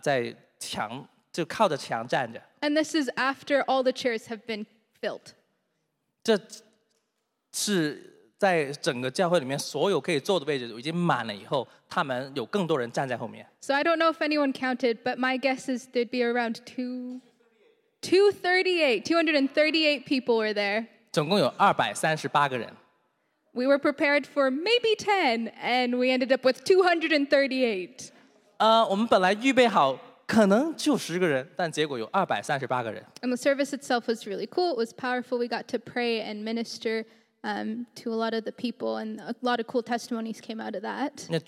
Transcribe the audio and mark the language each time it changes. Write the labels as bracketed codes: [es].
[zh] 然后呢，在过程当中呢，我就回头看一下，突然间发现，在整个教会的后面有一个很大群的人，他们都站在后面，在墙，就靠着墙站着。 [en] And this is after all the chairs have been filled. [zh] 这是。在整个教会里面所有可以坐的位置已经满了以后，他们有更多人站在后面。 [en] So I don't know if anyone counted, but my guess is there'd be around 238 people were there. [zh] 总共有238个人。 [en] We were prepared for maybe 10, and we ended up with 238. [zh] 我们本来预备好可能就10个人，但结果有238个人。 [en] And the service itself was really cool. It was powerful. We got to pray and minister to a lot of the people, and a lot of cool testimonies came out of that.